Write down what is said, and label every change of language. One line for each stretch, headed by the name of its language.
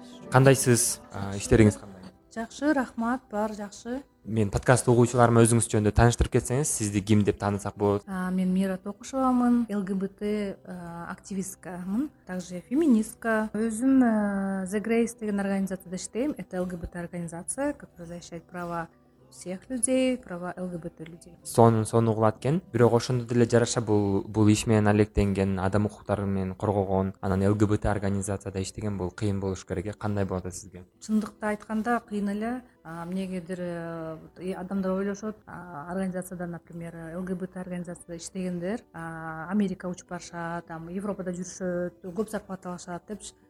Kyrgyz: Кандайсыз? Иштериңиз кандай? Жакшы, рахмат, баары жакшы. Мен подкаст угуучуларыма өзүңүз жөнүндө тааныштырып кетсеңиз, сизди ким деп таанысак болот? Мен Мира Токушевамын, ЛГБТ активисткамын,
Russian: также феминистка.
Kyrgyz: Өзүм The Grace деген организацияда иштейм.
Russian: Это ЛГБТ организация, которая защищает права всех людей, права ЛГБТ людей.
Kyrgyz: Сонун угулат экен, бирок ошондо деле жараша бул иш менен алектенген, адам укуктары менен коргогон, анан ЛГБТ организацияда иштеген бул кыйын болуш керек. Кандай болот сизге? Чындыкты айтканда кыйын эле. Эмнегедир адамдар ойлошот, организацияда, например, ЛГБТ организацияда иштегендер Америка учуп барышат, Европада жүрүшөт, көп зарплат алышат депчи.